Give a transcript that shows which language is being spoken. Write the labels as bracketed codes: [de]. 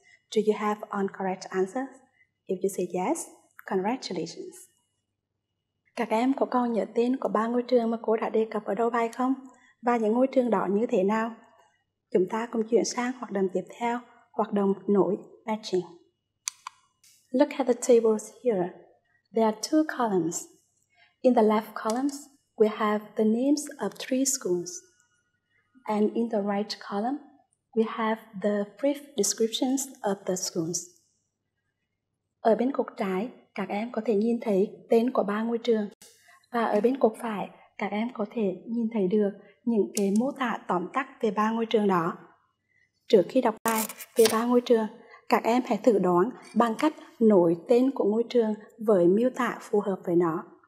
[en] Do you have all correct answers? If you say yes, congratulations. [vi] Các em có còn nhớ tên của ba ngôi trường mà cô đã đề cập ở đầu bài không? Và những ngôi trường đó như thế nào? Chúng ta cùng chuyển sang hoạt động tiếp theo, hoạt động nổi matching. [en] Look at the tables here. There are two columns. In the left columns, we have the names of three schools. And in the right column, we have the brief descriptions of the schools. [vi] Ở bên cột trái, các em có thể nhìn thấy tên của ba ngôi trường. Và ở bên cột phải, các em có thể nhìn thấy được những cái mô tả tóm tắt về ba ngôi trường đó. Trước khi đọc bài về ba ngôi trường, các em hãy thử đoán bằng cách nổi tên của ngôi trường với miêu tả phù hợp với nó.